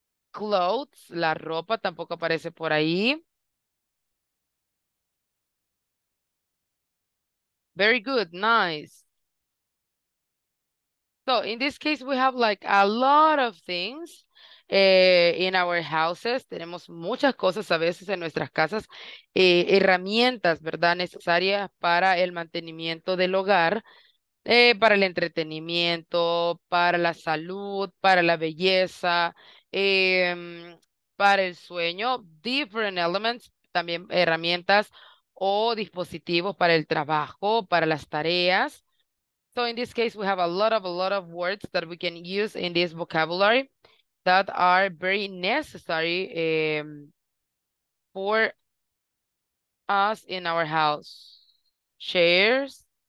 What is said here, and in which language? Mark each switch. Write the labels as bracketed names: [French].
[Spanish] Clothes, la ropa tampoco aparece por ahí. [English] Very good, nice. So in this case, we have like a lot of things in our houses. [Spanish] Tenemos muchas cosas a veces en nuestras casas, herramientas, ¿verdad?, necesarias para el mantenimiento del hogar. Para el entretenimiento, para la salud, para la belleza, para el sueño, [English] different elements, [Spanish] también herramientas o dispositivos para el trabajo, para las tareas. [English] So in this case, we have a lot of words that we can use in this vocabulary that are very necessary for us in our house. Chairs.